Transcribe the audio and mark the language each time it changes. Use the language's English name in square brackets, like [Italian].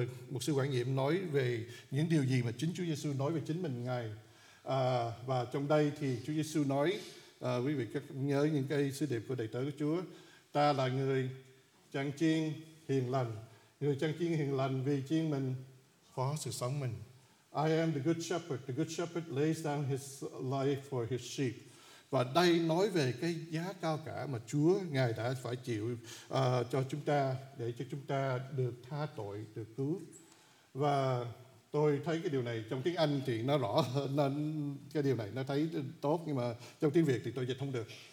[Vietnamese] mục sư quản nhiệm nói về những điều gì mà chính Chúa Giêsu nói về chính mình ngài, và trong đây thì Chúa Giêsu nói, quý vị các nhớ những cái sứ điệp của đầy tớ của Chúa, ta là người chăn chiên hiền lành, người chăn chiên hiền lành vì chiên mình phó sự sống mình. [English] I am the good shepherd. The good shepherd lays down his life for his sheep. [Vietnamese] Và đây nói về cái giá cao cả mà Chúa Ngài đã phải chịu cho chúng ta để cho chúng ta được tha tội, được cứu. Và tôi thấy cái điều này trong tiếng Anh thì nó rõ nên cái điều này nó thấy tốt, nhưng mà trong tiếng Việt thì tôi dịch không được.